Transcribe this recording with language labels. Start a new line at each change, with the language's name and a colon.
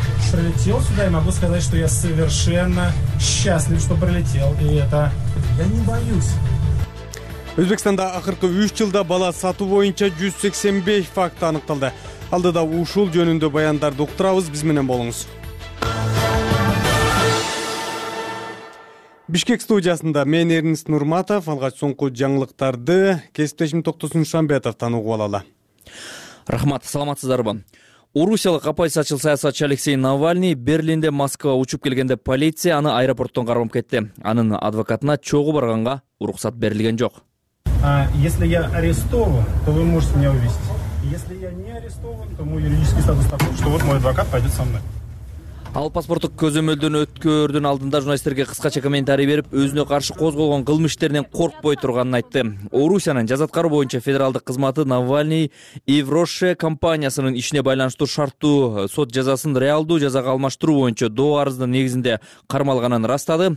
Russian: Пролетел сюда, и могу сказать, что я совершенно счастлив, что пролетел. И это... Я не боюсь.
Kyrgyz: Өзбекстанда акыркы 3 жылда бала сатуу боюнча 185 факт аныкталды. Алдыда ушул жөнүндө баяндарды уктурабыз, биз менен болуңуз. Бишкек студиясында мен Эрнист Нурматов, алгач соңку жаңылыктарды кесиптешим Токтосун Шамбетовтон угуп алалы. Рахмат, саламатсыздарбы. Орусиялык оппозициячыл саясатчы Алексей Навальный Берлинде Москвага учуп келгенде полиция аны аэропорттон кармап кетти. Анын адвокатына чогуу барганга уруксат берилген жок.
Russian: Если я арестован, то вы можете меня увезти. Если я не арестован, то мой юридический статус такой, что вот мой адвокат пойдет со мной.
Kyrgyz: Ал паспорттук көзөмөлдөн өткөрдүн алдында журналисттерге кыскача комментарий берип, өзүнө каршы козголгон кылмыш иштеринен коркпой турганын айтты. Орусиянын жаза аткаруу боюнча федералдык кызматы Навальный Ивроше компаниясынын ишине байланыштуу шарттуу сот жазасын реалдуу жазага алмаштыруу боюнча доо арызынын негизинде кармалганын ырастады.